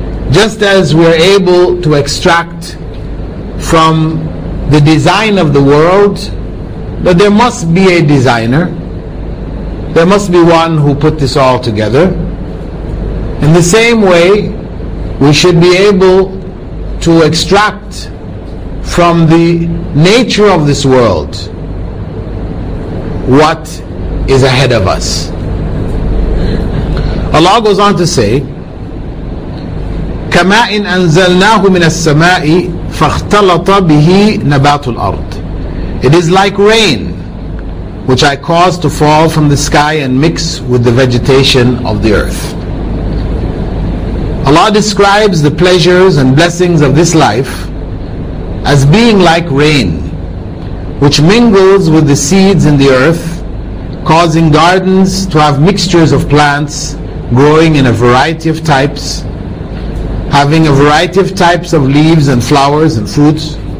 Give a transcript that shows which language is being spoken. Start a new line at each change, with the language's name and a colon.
English: Just as we are able to extract from the design of the world that there must be a designer, there must be one who put this all together, in the same way we should be able to extract from the nature of this world what is ahead of us. Allah goes on to say,
Arabic: كَمَا إِنْ أَنزَلْنَاهُ مِنَ السَّمَاءِ فَاخْتَلَطَ بِهِ نَبَاتُ الْأَرْضِ.
English: It is like rain which I cause to fall from the sky and mix with the vegetation of the earth. Allah describes the pleasures and blessings of this life as being like rain which mingles with the seeds in the earth, causing gardens to have mixtures of plants growing in a variety of types, having a variety of types of leaves and flowers and fruits.